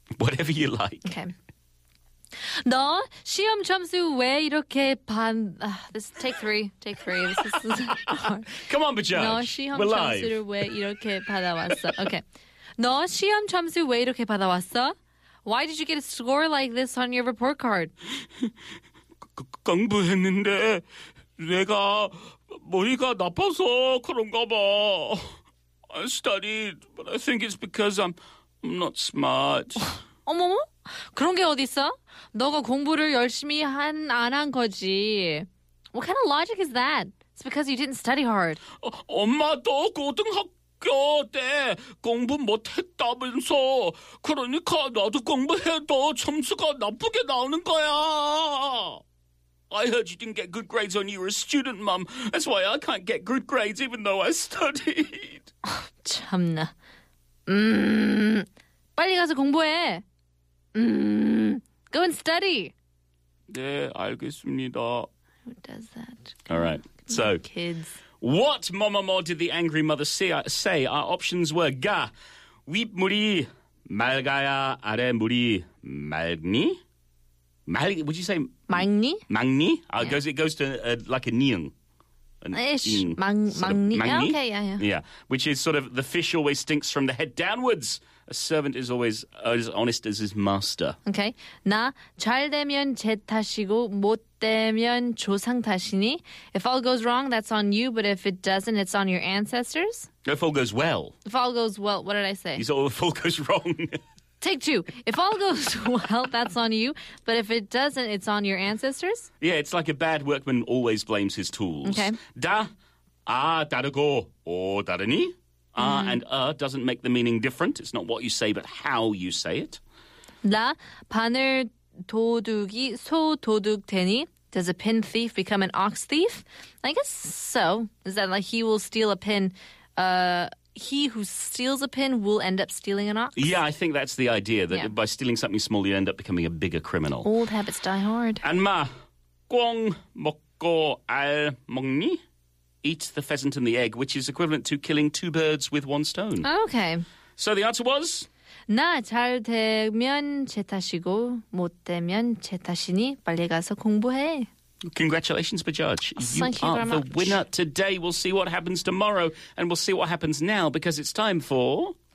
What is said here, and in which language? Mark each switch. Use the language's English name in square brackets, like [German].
[English] Whatever you like. Okay. [Korean] 너 시험 점수 왜 이렇게 [English] This is take three. Take three. This is come on, Bajaj. [Korean] 너 시험 점수를 왜 이렇게 받아왔어? [English] Okay. [Korean] 너 시험 점수 왜 이렇게 받아왔어? [English] Why did you get a score like this on your report card? [Korean] 공부했는데... 내가 머리가 나빠서 그런가 봐. [English] I studied, but I think it's because I'm not smart. [Korean] 어머, 그런 게 어디 있어? 너가 공부를 열심히 한 안 한 거지. [English] What kind of logic is that? It's because you didn't study hard. [Korean] 엄마도 고등학교 때 공부 못 했다면서. 그러니까 나도 공부해도 점수가 나쁘게 나오는 거야. [English] I heard you didn't get good grades when you were a student, Mum. That's why I can't get good grades even though I studied. [Korean] 참나. 빨리 가서 공부해. [English] Go and study. [Korean] 네, 알겠습니다. [English] Who does that? All right. So, kids. What, Mama Mo, did the angry mother say? Our options were ga, [Korean] 윗물이 맑아야 아래 물이 맑니? [English] Would you say... Mangni? Mangni? Yeah. It goes to like a niung. Ish. Mangni? Okay, yeah. Yeah, which is sort of the fish always stinks from the head downwards. A servant is always as honest as his master. Okay. [Korean] 나 잘 되면 제 탓이고 못 되면 조상 탓이니? [English] If all goes wrong, that's on you, but if it doesn't, it's on your ancestors? If all goes well. If all goes well, what did I say? If all goes wrong... Take two. If all goes well, that's on you. But if it doesn't, it's on your ancestors? Yeah, it's like a bad workman always blames his tools. Okay. Da, a, daruko, o, daruni. Ah, and doesn't make the meaning different. It's not what you say, but how you say it. [Korean] Da, 바늘 도둑이 소 도둑 되니. [English] Does a pin thief become an ox thief? I guess so. Is that like he will steal a pin... He who steals a pin will end up stealing an ox? Yeah, I think that's the idea, that by stealing something small, you end up becoming a bigger criminal. Old habits die hard. And ma, [Korean] 꽝 먹고 알 먹니? [English] Eat the pheasant and the egg, which is equivalent to killing two birds with one stone. Okay. So the answer was? [Korean] 나 잘 되면 제 탓이고 못 되면 제 탓이니 빨리 가서 공부해. [English] Congratulations, Bajaj. Thank you very much. You are the winner today. We'll see what happens tomorrow, and we'll see what happens now, because it's time for...